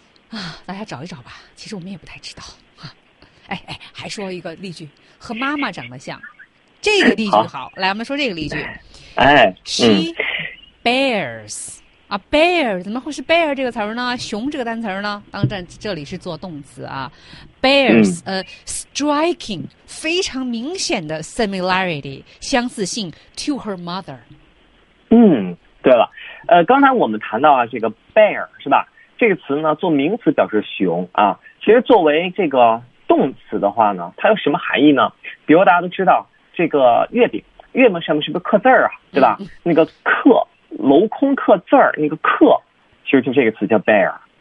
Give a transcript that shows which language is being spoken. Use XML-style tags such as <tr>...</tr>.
<zh>啊，大家找一找吧，其实我们也不太知道。哎，还说一个例句，和妈妈长得像，这个例句好。来，我们说这个例句。哎，</zh> <en>She bears</en> <zh>啊 ，bear 怎么会是 bear 这个词儿呢？熊这个单词儿呢？当然，这里是做动词啊。Bears、嗯、</zh> <en>striking</en> <zh>非常明显的</zh> <en>similarity</en> <zh>相似性</zh> <en>to her mother。</en> <zh>嗯，对了，刚才我们谈到啊，这个 bear 是吧？这个词呢，做名词表示熊啊。其实作为这个动词的话呢，它有什么含义呢？比如大家都知道这个月饼。月饼上面是不是刻字儿啊？对吧？嗯、那个刻镂空刻字儿，那个刻，其实就这个词叫 bear。</zh>